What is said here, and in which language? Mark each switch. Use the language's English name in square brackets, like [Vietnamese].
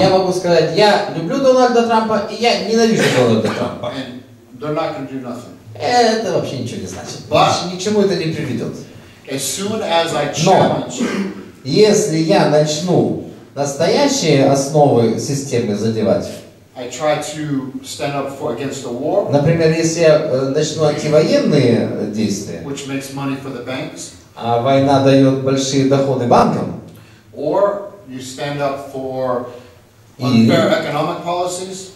[Russian] Я могу сказать, я люблю Дональда Трампа и я ненавижу Дональда Трампа. [English] And they're not going to do nothing. [Russian] Это вообще ничего не значит. Вообще ничему это не приведет. [English] As soon as I challenge. [Russian] Но если я начну настоящие основы системы задевать. [English] I try to stand up for against the war. [Russian] Например, если я начну антивоенные действия. [English] Which makes money for the banks. [Russian] А война дает большие доходы банкам. [English] Or you stand up for unfair economic policies.